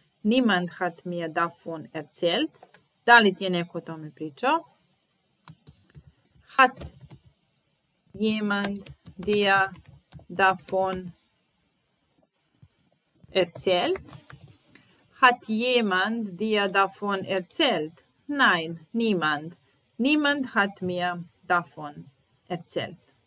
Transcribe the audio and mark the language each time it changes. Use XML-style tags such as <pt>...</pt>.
<de>Niemand hat mir davon erzählt.</de> <sr>Da li ti je neko o tome pričao?</sr> <de>Hat jemand dir davon erzählt? Hat jemand dir davon erzählt? Nein, niemand. Niemand hat mir davon erzählt.</de>